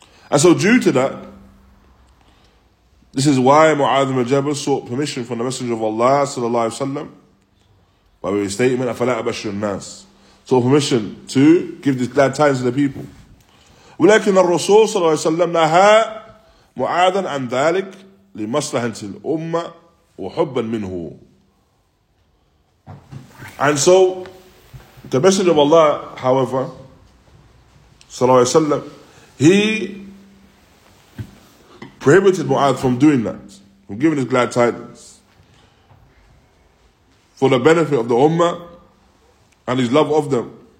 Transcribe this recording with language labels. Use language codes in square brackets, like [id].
[en] And so due to that, this is why Mu'adh ibn Jabal sought permission from the Messenger of Allah sallallahu alaihi wasallam by way of his statement, [ar] "Afala abashir an-nas," [en] sought permission to give these glad tidings to the people. [ar] ولكن الرسول صلى الله عليه وسلم نهى معاذا عن ذلك لمصلحة الأمة وحبا منه. [en] And so, the Messenger of Allah, however, صلى الله عليه وسلم, he prohibited Mu'adh from doing that, from giving his glad tidings, for the benefit of the Ummah and his love of them,